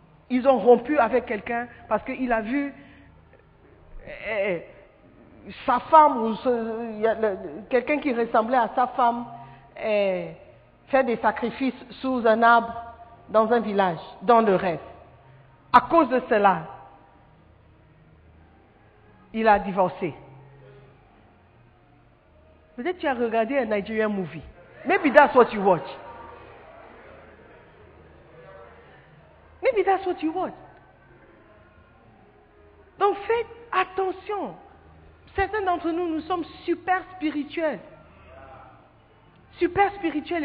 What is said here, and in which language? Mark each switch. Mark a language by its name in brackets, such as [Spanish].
[French] Ils ont rompu avec quelqu'un parce qu'il a vu sa femme ou quelqu'un qui ressemblait à sa femme faire des sacrifices sous un arbre dans un village, dans le rêve. À cause de cela, il a divorcé. Peut-être tu as regardé un [English] Nigerian movie. Maybe that's what you watch. Maybe that's what you watch. [French] Donc faites attention. Certains d'entre nous, nous sommes super spirituels. Super spirituels.